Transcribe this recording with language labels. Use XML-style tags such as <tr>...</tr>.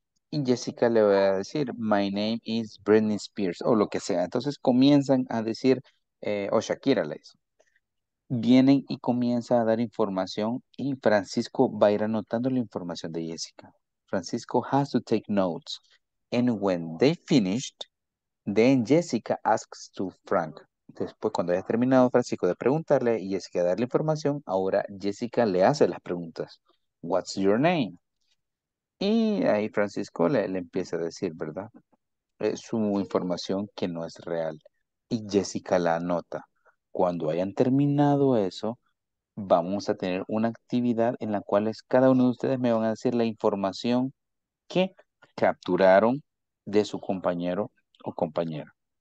<es>Y Jessica le va a decir,</es> <en>My name is</en> <es>Britney Spears, o lo que sea. Entonces comienzan a decir, o Shakira le dice. Vienen y comienza a dar información, y Francisco va a ir anotando la información de Jessica.</es> <en>Francisco has to take notes. And when they finished, then Jessica asks to Frank.</en> <es>Después, cuando haya terminado Francisco de preguntarle y Jessica de darle información, ahora Jessica le hace las preguntas.</es> <en>What's your name?</en> <es>Y ahí Francisco le empieza a decir, ¿verdad? Es su información que no es real. Y Jessica la anota. Cuando hayan terminado eso, vamos a tener una actividad en la cual cada uno de ustedes me van a decir la información que capturaron de su compañero o compañera.</es>